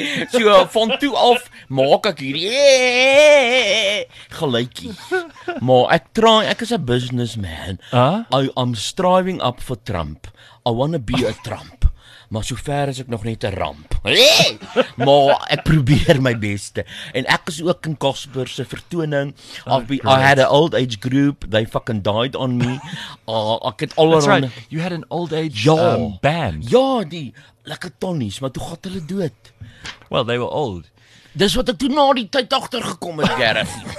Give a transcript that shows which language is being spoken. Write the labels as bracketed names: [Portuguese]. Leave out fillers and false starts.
[Afrikaans] So van toe af maak ek hierdie geluidjie. Maar ek is 'n businessman. [English] I'm striving up for Trump. I want to be a Trump. [Afrikaans] Maar so ver is ek nog net 'n ramp. Maar ek probeer my beste. En ek is ook in Casper se vertoning. [English] I had an old age group. They fucking died on me. [Afrikaans] Ek het al [English] around. That's right. You had an old age band. [Afrikaans] Ja, die lekker tonnies, maar toe gat hulle dood. [English] Well, they were old. [Afrikaans] Dis wat ek toe na die tyd agter gekom het, Gareth.